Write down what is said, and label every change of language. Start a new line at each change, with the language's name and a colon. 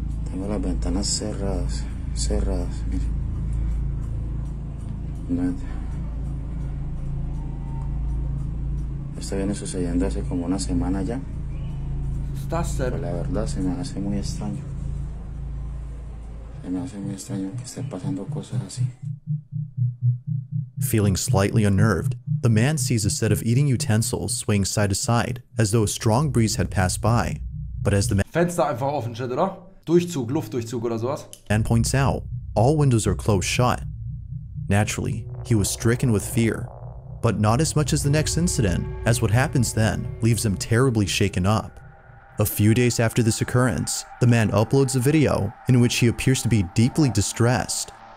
Spanish: Tengo las ventanas cerradas. Cerradas, miren. No. Esto viene sucediendo hace como una semana ya. ¿Estás cerca? Pero la verdad se me hace muy extraño. Se me hace muy extraño que esté pasando cosas así.
English: Feeling slightly unnerved, the man sees a set of eating utensils swaying side to side, as though a strong breeze had passed by. But as the man
German: Fenster einfach offen steht, oder? Durchzug, Luftdurchzug oder sowas.
English: And points out, all windows are closed shut. Naturally, he was stricken with fear. But not as much as the next incident, as what happens then leaves him terribly shaken up. A few days after this occurrence, the man uploads a video in which he appears to be deeply distressed.